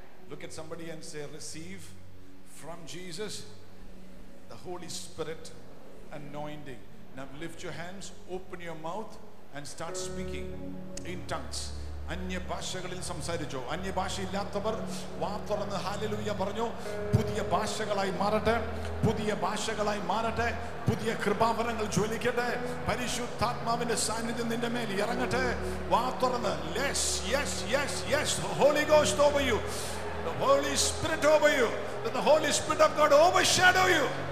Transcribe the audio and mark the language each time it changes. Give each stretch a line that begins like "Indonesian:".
English: Look at somebody and say, receive from Jesus the Holy Spirit anointing. Now lift your hands, open your mouth and start speaking in tongues.
Malayalam: അന്യ ഭാഷകളിൽ സംസാരിച്ചോ. അന്യ ഭാഷയില്ലാത്തവർ വാ തുറന്ന് hallelujah പറഞ്ഞു. പുതിയ ഭാഷകളായി മാറട്ടെ, പുതിയ ഭാഷകളായി മാറട്ടെ, പുതിയ കൃപാവരങ്ങൾ ജ്വലിക്കട്ടെ. പരിശുദ്ധാത്മാവിന്റെ സാന്നിധ്യം നിന്റെ മേൽ ഇറങ്ങട്ടെ. വാ തുറന്ന്,
English: yes, yes, yes, yes. The Holy Ghost over you, the Holy Spirit over you, that the Holy Spirit of God overshadow you.